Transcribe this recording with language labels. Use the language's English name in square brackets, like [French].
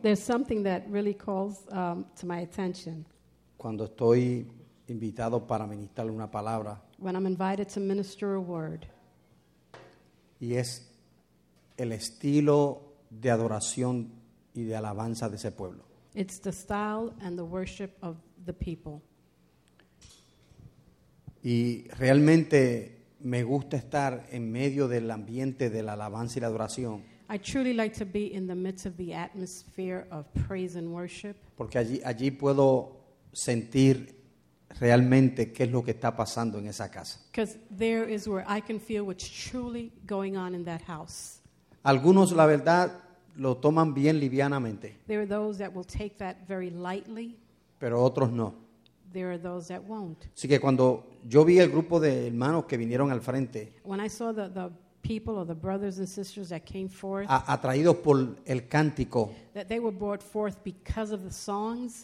[English] There's something that really calls to my attention. [Spanish] Cuando estoy invitado para ministrar una palabra. [English] When I'm invited to minister a word. [Spanish] Y es el estilo de adoración y de alabanza de ese pueblo. [English] It's the style and the worship of the people. [Spanish] Y realmente me gusta estar en medio del ambiente de la alabanza y la adoración. [English] I truly like to be in the midst of the atmosphere of praise and worship. [Spanish] Porque allí puedo sentir realmente qué es lo que está pasando en esa casa. [English] Because there is where I can feel what's truly going on in that house. [Spanish] Algunos, la verdad, lo toman bien livianamente. [English] There are those that will take that very lightly. [Spanish] Pero otros no. [English] There are those that won't. [Spanish] Así que cuando yo vi el grupo de hermanos que vinieron al frente. [English] When I saw the people or the brothers and sisters that came forth, [Spanish] atraídos por el cántico, [English] that they were brought forth because of the songs,